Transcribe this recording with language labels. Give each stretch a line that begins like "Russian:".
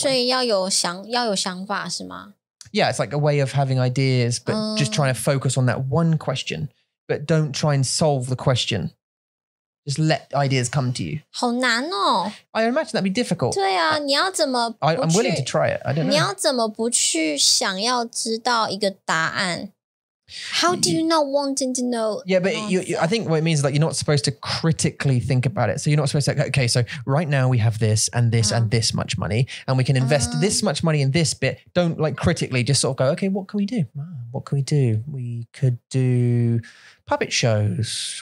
Chinese: 所以要有想法是吗?
English: Yeah, it's like a way of having ideas, but just trying to focus on that one question, but don't try and solve the question. Just let ideas come to you.
Chinese: 好难哦.
English: I imagine that'd be difficult.
Chinese: 对啊, 你要怎么不去,
English: I'm willing to try it. I don't know.
Chinese: 你要怎么不去想要知道一个答案?
English: How do you not wanting to know? Yeah, but I think what it means is that you're not supposed to critically think about it. So you're not supposed to say, okay, so right now we have this and this and this much money and we can invest this much money in this bit. Don't like critically just sort of go, okay, what can we do? What can we do? We could do puppet shows.